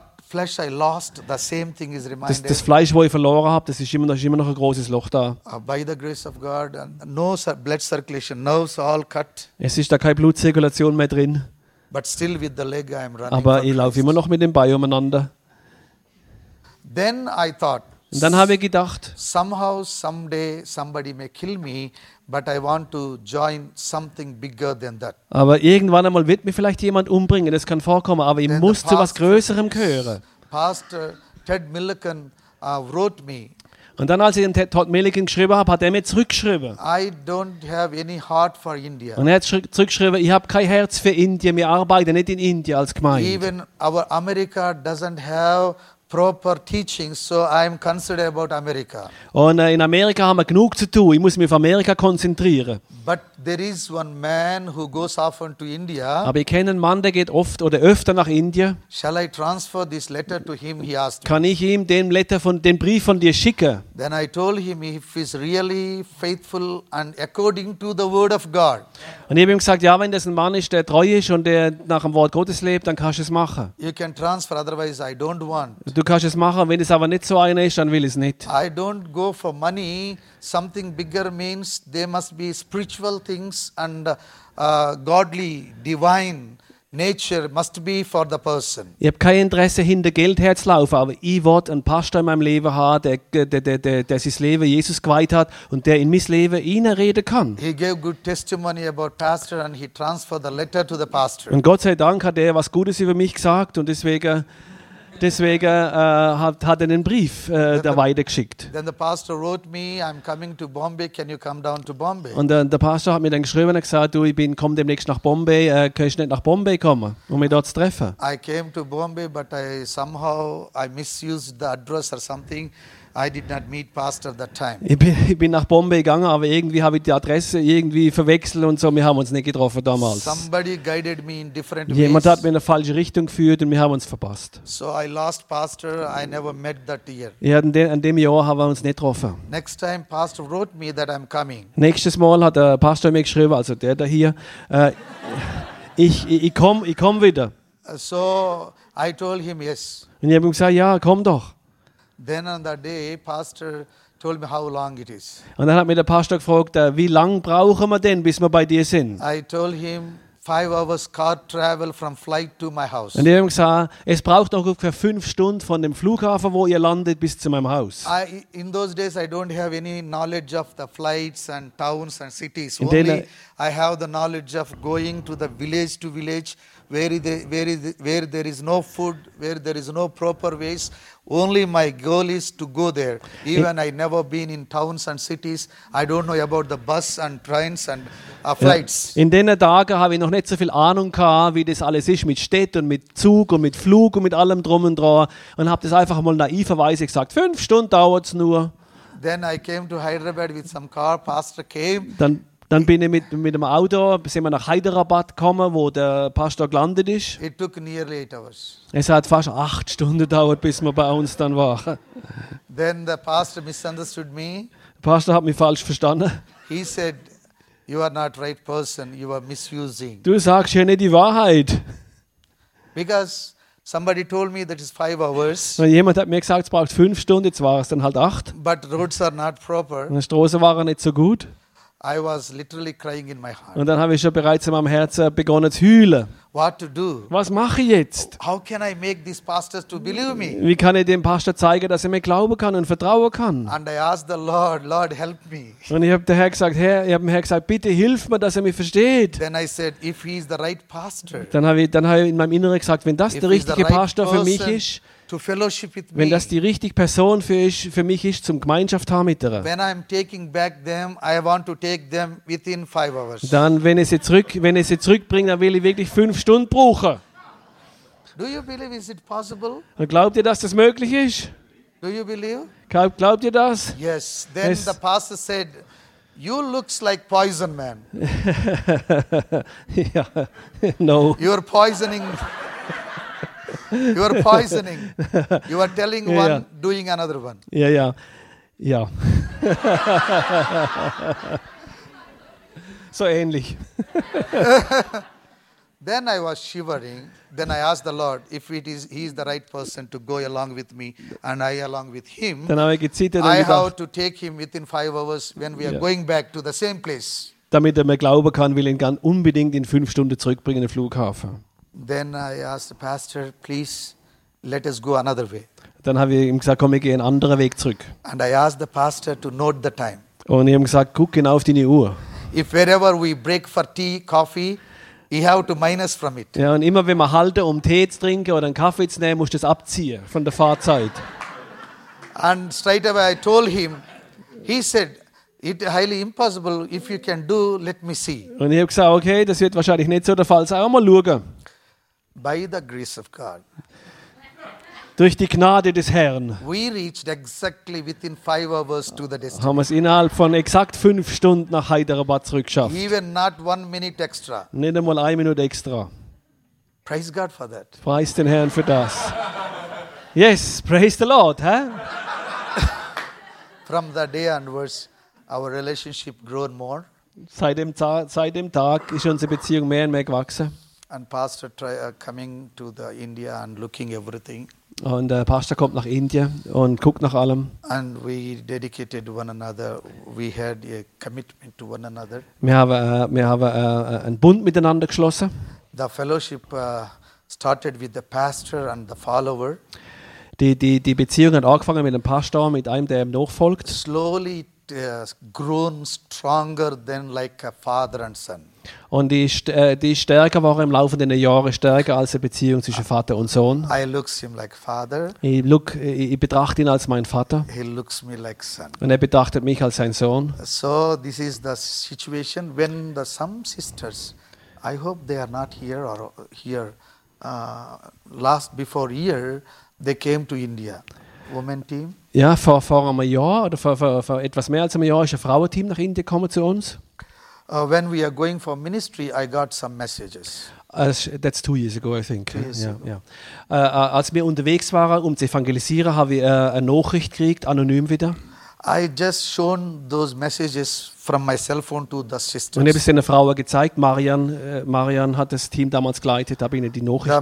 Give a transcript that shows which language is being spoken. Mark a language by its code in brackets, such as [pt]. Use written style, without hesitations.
[en] Flesh I lost, the same thing is reminded. [de] Das Fleisch, wo ich verloren habe, das ist immer noch ein großes Loch da. [en] By the grace of God, no blood circulation, nerves all cut. [de] Es ist da keine Blutzirkulation mehr drin. [en] But still with the leg I'm running. [de] Aber ich laufe immer noch mit dem Bein umeinander. [en] Then I thought. [de] Und dann habe ich gedacht. [en] Somehow, someday, somebody may kill me, but I want to join something bigger than that. [de] Aber irgendwann einmal wird mir vielleicht jemand umbringen, das kann vorkommen, aber ich muss zu was Größerem gehören. [en] Pastor Ted Milliken wrote me. [de] Und dann, als ich dem Todd Milliken geschrieben habe, hat er mir zurückgeschrieben. [en] I don't have any heart for India. [de] Und er hat zurückgeschrieben, ich habe kein Herz für Indien, wir arbeiten nicht in Indien als Gemeinde. [en] Even our America doesn't have proper teaching, so I'm concerned about America. [de] Und in Amerika haben wir genug zu tun. Ich muss mich auf Amerika konzentrieren. [en] But there is one man who goes often to India. [de] Aber ich kenne einen Mann, der geht oft oder öfter nach Indien. [en] Shall I transfer this letter to him? He asked. [de] Kann ich ihm den Brief von dir schicken? [en] Then I told him if he's really faithful and according to the word of God. [de] Und ich habe ihm gesagt, ja, wenn das ein Mann ist, der treu ist und der nach dem Wort Gottes lebt, dann kannst du es machen. [en] You can transfer, otherwise I don't want. [de] Du kannst es machen, wenn es aber nicht so einer ist, dann will ich es nicht. [en] I don't go for money. Something bigger means there must be spiritual things and godly, divine nature must be for the person. [de] Ich habe kein Interesse hinter Geld herzulaufen, aber ich will einen Pastor in meinem Leben haben, der sein Leben Jesus geweiht hat und der in mein Leben hineinreden kann. [en] He gave good testimony about pastor and he transferred the letter to the pastor. [de] Und Gott sei Dank hat er was Gutes über mich gesagt und deswegen hat er den Brief der Weide geschickt. [en] Then the pastor wrote me, I'm coming to Bombay. Can you come down to Bombay? [de] Und der Pastor hat mir dann geschrieben und gesagt, du, komm demnächst nach Bombay. Kannst du nicht nach Bombay kommen, um mich dort zu treffen? [en] I came to Bombay, but I somehow misused the address or something. I did not meet pastor that time. [de] Ich bin nach Bombay gegangen, aber irgendwie habe ich die Adresse irgendwie verwechselt und so. Wir haben uns nicht getroffen damals. [en] Somebody guided me in different ways. [de] Jemand hat mir in eine falsche Richtung geführt und wir haben uns verpasst. [en] So I lost pastor. I never met that year. [de] Ja, an dem Jahr haben wir uns nicht getroffen. [en] Next time pastor wrote me that I'm coming. [de] Nächstes Mal hat der Pastor mir geschrieben, also der da hier. ich komm wieder. [en] So I told him yes. [de] Und ich habe ihm gesagt, ja, komm doch. [en] Then on that day, pastor told me how long it is. [de] Und dann hat mir der Pastor gefragt, wie lang brauchen wir denn, bis wir bei dir sind? [en] I told him 5 hours car travel from flight to my house. [de] Und ich habe gesagt, es braucht noch ungefähr 5 Stunden von dem Flughafen, wo ihr landet, bis zu meinem Haus. [en] In those days, I don't have any knowledge of the flights and towns and cities. Only I have the knowledge of going to the village to village. Where there is no food, where there is no proper ways, only my goal is to go there. Even I never been in towns and cities. I don't know about the bus and trains and flights. [de] In den Tagen habe ich noch nicht so viel Ahnung gehabt, wie das alles ist mit Städten, mit Zug und mit Flug und mit allem drum und dran. Und habe das einfach mal naiverweise gesagt, 5 Stunden dauert's nur. [en] Then I came to Hyderabad with some car. Pastor came. [de] Dann bin ich mit dem Auto, sind wir nach Hyderabad gekommen, wo der Pastor gelandet ist. [en] It took nearly 8 hours. [de] Es hat fast 8 Stunden gedauert, bis wir bei uns dann waren. [en] Then the pastor misunderstood me. [de] Der Pastor hat mich falsch verstanden. [en] He said, you are not right person, you are misusing. [de] Du sagst ja nicht die Wahrheit. [en] Because somebody told me that it's 5 hours. [de] Und jemand hat mir gesagt, es braucht 5 Stunden, jetzt war es dann halt 8. [en] But roads are not proper. [de] Die Straßen waren nicht so gut. [en] I was literally crying in my heart. [de] Und dann habe ich schon bereits in meinem Herzen begonnen zu heulen. [en] What to do? [de] Was mache ich jetzt? [en] How can I make these pastors to believe me? [de] Wie kann ich dem Pastor zeigen, dass er mir glauben kann und vertrauen kann? [en] And I asked the Lord, Lord help me. [de] Und ich habe dem Herr gesagt, bitte hilf mir, dass er mich versteht. [en] Then I said, if he is the right pastor. [de] Dann habe ich in meinem Inneren gesagt, wenn das der richtige Pastor für mich ist. [en] To fellowship with me. [de] Wenn das die richtige Person für mich ist, zum Gemeinschaft haben mit ihrer. [en] When I'm taking back them, I want to take them within 5 hours. [de] Dann, wenn ich sie zurückbringe, dann will ich wirklich 5 Stunden brauchen. [en] Do you believe is it possible? [de] Und glaubt ihr, dass das möglich ist? [en] Do you believe? [de] Glaubt ihr das? [en] Yes. Then es the pastor said, you looks like poison man. [de] Ja. [en] No. You're poisoning. You are poisoning. You are telling one, yeah. Doing another one. Yeah, yeah, yeah. [de] So ähnlich. [en] Then I was shivering. Then I asked the Lord if he is the right person to go along with me and I along with him. [de] Dann habe ich gezittert. [en] I have to take him within 5 hours when we are going back to the same place. [de] Damit er mir glauben kann, will ihn unbedingt in 5 Stunden zurückbringen den Flughafen. [en] Then I asked the pastor, please let us go another way. [de] Dann habe ich ihm gesagt, komm, wir gehen einen anderen Weg zurück. [en] And I asked the pastor to note the time. [de] Und ich habe gesagt, guck genau auf deine Uhr. [en] If wherever we break for tea, coffee, you have to minus from it. [de] Ja, und immer wenn wir halten, um Tee zu trinken oder einen Kaffee zu nehmen, musst du das abziehen von der Fahrzeit. [en] And straight away I told him, he said, it's highly impossible, if you can do, let me see. [de] Und ich habe gesagt, okay, das wird wahrscheinlich nicht so der Fall sein, mal schauen. [en] By the grace of God. [de] Durch die Gnade des Herrn. [en] We reached exactly within 5 hours to the destination. [de] Haben es innerhalb von exakt 5 Stunden nach Hyderabad zurückgeschafft. [en] Even not 1 minute extra. [de] Nicht einmal 1 Minute extra. [en] Praise God for that. [de] Preist den Herrn für das. [en] Yes, praise the Lord, huh? From the day onwards, our relationship grown more. [de] Seit dem Tag ist unsere Beziehung mehr und mehr gewachsen. [en] And pastor coming to the India and looking everything. [de] Und der Pastor kommt nach Indien und guckt nach allem. [en] And we dedicated one another. We had a commitment to one another. [de] Wir haben einen Bund miteinander geschlossen. [en] The fellowship started with the pastor and the follower. [de] Die Beziehung hat angefangen mit dem Pastor, mit einem, der ihm nachfolgt. [en] Slowly grown stronger than like a father and son. [de] Und die stärker war im Laufe der Jahre stärker als die Beziehung zwischen Vater und Sohn. [en] I look him like father. [de] Ich betrachte ihn als mein Vater. [en] He looks me like son. [de] Und er betrachtet mich als sein Sohn. [en] So this is the situation when the some sisters, I hope they are not here or here, last before year they came to India. Women team. [de] Ja, vor einem Jahr oder vor etwas mehr als einem Jahr ist ein Frauenteam nach Indien gekommen zu uns. [en] When we are going for ministry, I got some messages. That's 2 years ago, I think. [de] Als wir unterwegs waren, um zu evangelisieren, habe ich eine Nachricht gekriegt, anonym wieder. [en] I just shown those messages from my cell phone to the sisters. [de] Und ich habe es einer Frau gezeigt. Marian hat das Team damals geleitet, habe ihnen die Nachricht